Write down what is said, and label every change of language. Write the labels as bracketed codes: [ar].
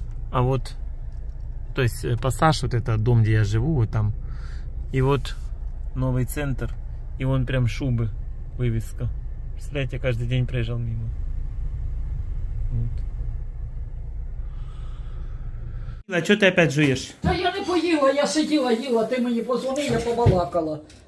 [uk] А от, то есть пасаж, от це дом, де я живу, от там. І от новий центр, і вон прям шуби. [ru] Вывеска. Представляете, я каждый день проезжал мимо. Вот. А что ты опять жуешь? [uk] Да я не поїла, я сиділа, їла, ти мені позвонив, я побалакала.